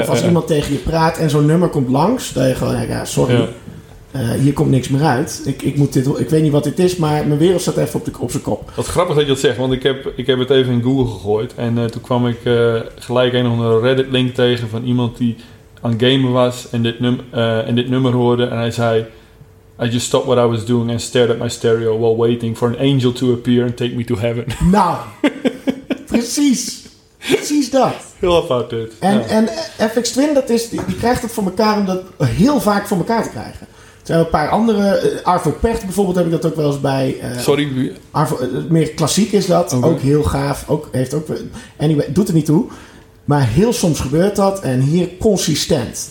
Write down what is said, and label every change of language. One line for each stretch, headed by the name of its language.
Dutch: of als iemand tegen je praat en zo'n nummer komt langs, dan denk je gewoon, ja, sorry, hier komt niks meer uit. Ik weet niet wat dit is, maar mijn wereld staat even op zijn kop. Wat grappig dat je dat zegt, want ik heb het even in Google gegooid. En toen kwam ik gelijk een onder een Reddit link tegen van iemand die aan gamen was en dit nummer hoorde. En hij zei,
English: I just stopped what I was doing and stared at my stereo while waiting for an angel to appear and take me to heaven.
Dutch: Nou, precies. Precies dat. Heel apart dit. En FX Twin, dat is, die krijgt het voor elkaar om dat heel vaak voor elkaar te krijgen. Er zijn een paar andere, Arvo Pärt bijvoorbeeld heb ik dat ook wel eens bij. Sorry. Arvo, meer klassiek is dat. Okay. Ook heel gaaf. Ook, heeft ook, anyway, doet er niet toe. Maar heel soms gebeurt dat en hier consistent.